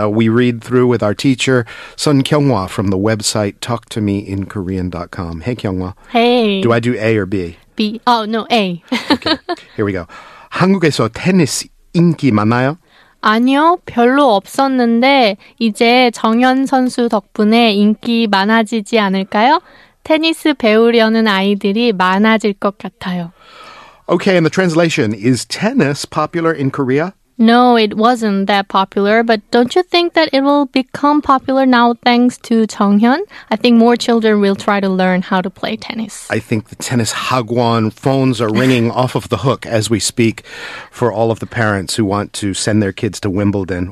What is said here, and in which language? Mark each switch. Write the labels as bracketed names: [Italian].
[English] We read through with our teacher, Sun Kyunghwa, from the website talktomeinkorean.com. Hey, Kyunghwa. Hey. Do I do A or B? B. Oh, no, A. Okay. Here we go. [Korean] 한국에서 테니스 인기 많아요? 아니요, 별로 없었는데 이제 정현 선수 덕분에 인기 많아지지 않을까요? 테니스 배우려는 아이들이 많아질 것 같아요. [English] Okay, and the translation, is tennis popular in Korea? No, it wasn't that popular, but don't you think that it will become popular now thanks to 정현? I think more children will try to learn how to play tennis. I think the tennis hagwon phones are ringing off of the hook as we speak for all of the parents who want to send their kids to Wimbledon.